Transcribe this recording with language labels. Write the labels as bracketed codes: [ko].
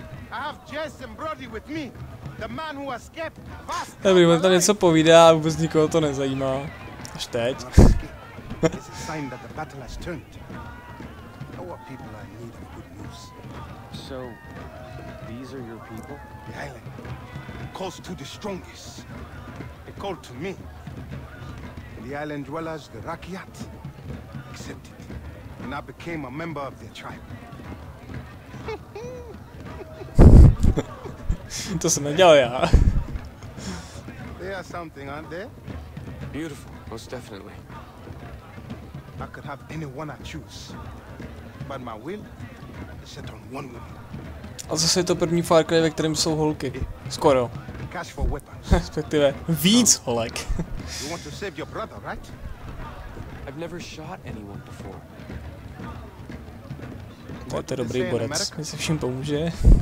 [en] I have Jess and Brody with me. The man who escaped fast. [cs] Dobrý, on tam něco povídá a vůbec nikoho to nezajímá. Až teď. [en] This is a sign that the battle has turned. Our people are in need of good news. So, these are your people? The island calls to the strongest. They call to me. The island dwellers, the Rakiat, accepted. And I became a member of their tribe. [cs] To jsem nedělal já. [en] They are something, aren't they? Beautiful, most definitely. I could have anyone I choose, but my will is set on one woman. [cs] A zase je to první Far Cry, ve kterém jsou holky. Skoro. [en] Cash for weapons. [cs] Respektive víc holek. [en] You want to save your brother, right? I've never shot anyone before. [cs] To je dobrý borec, mi se všim pomůže.